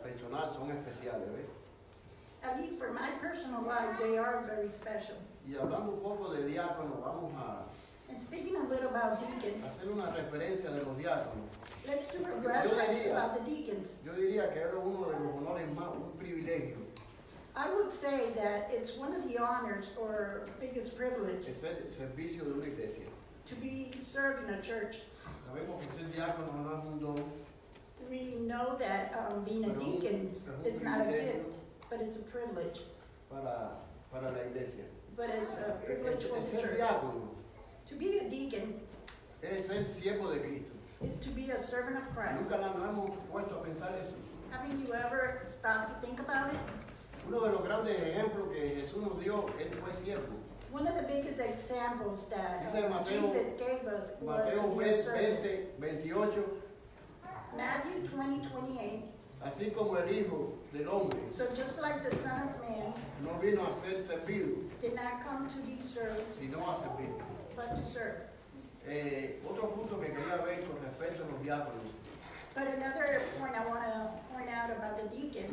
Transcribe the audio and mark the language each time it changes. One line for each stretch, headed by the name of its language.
English: At least for my personal life, they are very special.
Spanish: Y hablando un poco de diácono, vamos a...
English: And speaking a little about deacons,
Spanish: hacer una referencia de los diáconos.
English: Let's do a reference about the deacons.
Spanish: Yo diría que era uno de los honores más, un privilegio.
English: I would say that it's one of the honors or biggest privilege
Spanish: es el servicio de una iglesia.
English: To be serving a church.
Spanish: Sabemos que ser diácono no es un don.
English: We know that being a deacon is not a gift, but it's a privilege.
Spanish: Para la iglesia.
English: But it's a privilege for the church.
Spanish: Diácono.
English: To be a deacon
Spanish: es el siervo de Cristo.
English: Is to be a servant of Christ.
Spanish: Nunca nos hemos puesto a pensar eso.
English: Haven't you ever stopped to think about it?
Spanish: Uno de los grandes ejemplos que Jesús nos dio, él fue siervo.
English: One of the biggest examples that
Spanish: Mateo,
English: Jesus gave us was
Spanish: Mateo
English: to be a servant.
Spanish: 20, 28.
English: Matthew 20:28.
Spanish: Así como el hijo del hombre.
English: So just like the Son of Man.
Spanish: No vino a ser servido.
English: Did not come to be served.
Spanish: Sino a servir.
English: But to serve.
Spanish: Otro punto que quería ver con respecto a los diáconos.
English: But another point I want to point out about the deacons.